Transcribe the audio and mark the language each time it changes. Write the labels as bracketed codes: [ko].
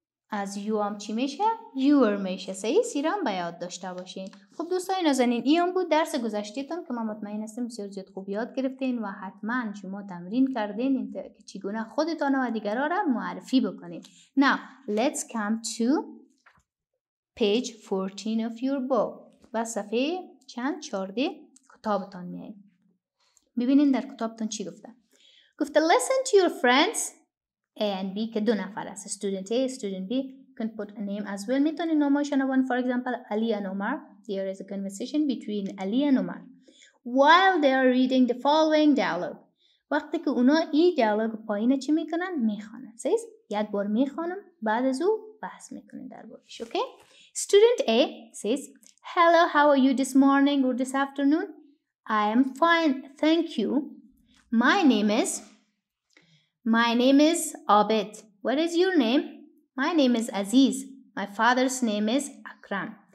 [fa] از you هم چی میشه؟ your میشه. سعیس ایرا هم بیاد داشته باشین. خب دوستای نازنین، این بود درس گذشتیتون که ما مطمئن هستیم بسیار زیاد خوب یاد گرفتین و حتما شما تمرین کردین که چگونه خودتان و دیگران را معرفی بکنین. [en] now let's come to page 14 of your book. [fa] و صفحه چند؟ 14 کتابتان میاییم. ببینین در کتابتان چی گفته. گفته [en] listen to your friends A and B، [fa] که دو نفر است. [en] student A، student B، can put a name as well. [fa] میتونی نامشان رو [en] for example Ali and Omar. there is a conversation between Ali and Omar while they are reading the following dialogue. [fa] وقتی که اونا این دیالوگ پایین چی میکنن؟ میخوانن. says یک بار میخوانم، بعد از او بحث میکنن در بارش. [en] okay, student A says hello, how are you this morning or this afternoon? I am fine, thank you. My name is Abed. What is your name? My name is Aziz. My father's name is Akram.